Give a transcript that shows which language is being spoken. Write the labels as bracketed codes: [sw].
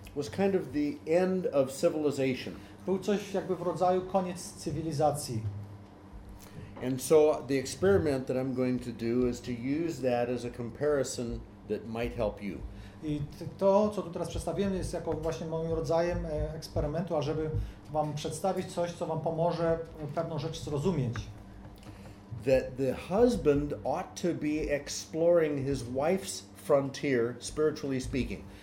[en] Was kind of the end of civilization. [pl] Był coś jakby w rodzaju koniec cywilizacji. [en] And so the experiment that I'm going to do is to use that as a comparison that might help you. [pl] I to, co tu teraz przedstawiłem, jest jako właśnie moim rodzajem eksperymentu, ażeby wam przedstawić coś, co wam pomoże pewną rzecz zrozumieć. [en] That the husband ought to be exploring his wife's frontier, spiritually speaking.